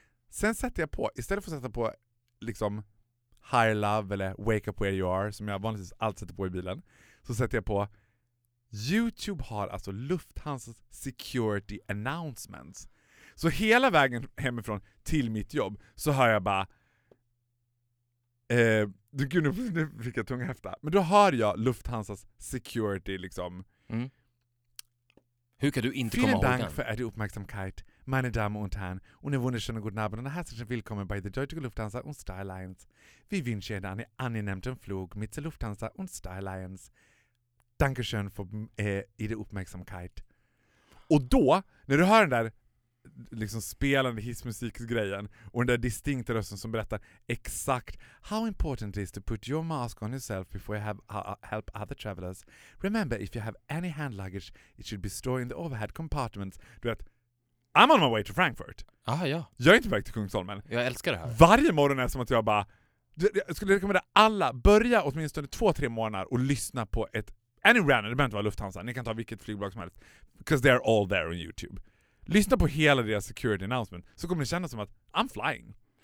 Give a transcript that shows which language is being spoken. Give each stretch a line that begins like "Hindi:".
Swedish: Sen sätter jag på, istället för att sätta på liksom Higher Love eller Wake Up Where You Are, som jag vanligtvis alltid sätter på i bilen, så sätter jag på YouTube har alltså Lufthansa Security Announcements. Så hela vägen hemifrån till mitt jobb så hör jag bara nu fick jag tunga häfta. Men då hör jag Lufthansas security liksom. Mm. Hur kan du inte komma ihåg den?
German: Vielen Dank
Swedish: för er uppmärksamhet,
German: meine Damen und Herren. Und en wunderschönen guten Abend und herzlichen willkommen bei der Deutsche Lufthansa und Star Alliance. Vi wünschen dir einen angenehmen Flug mit der Lufthansa und Star Alliance. Dankeschön
Swedish: för er uppmärksamhet. Och då, när du hör den där liksom spelande hissmusikgrejen och den där distinkta rösten som berättar exakt
English: how important it is to put your mask on yourself before you have help other travelers. Remember, if you have any hand luggage it should be stored in the overhead compartments.
Swedish: Du vet,
English: I'm on my way to Frankfurt.
Swedish: Aha, ja. Jag är inte på väg till Kungsholmen. Jag älskar det här. Varje morgon är som att jag bara, jag skulle rekommendera alla börja åtminstone 2-3 månader och lyssna på ett
English: any random,
Swedish: det behöver inte vara Lufthansa, ni kan ta vilket flygbolag som helst,
English: because they're all there on YouTube.
Swedish: Lyssna på hela deras security announcement så kommer det kännas som att
English: I'm flying.